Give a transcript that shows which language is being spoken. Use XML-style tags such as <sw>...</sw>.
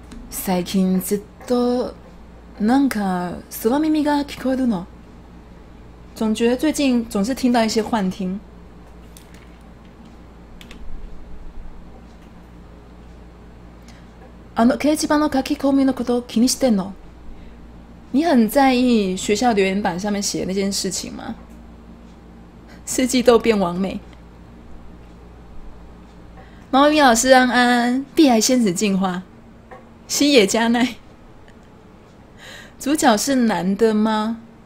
<ja>最近ずっとなんか空耳が聞こえるの，</ja> <zh>总觉得最近总是听到一些幻听。</zh> <ja>あの掲示板の書き込みのこと気にしてんの？</ja> <zh>你很在意学校留言板上面写的那件事情吗？四季豆变完美，猫咪老师安安，碧海仙子进化，西野加奈，主角是男的吗？</zh>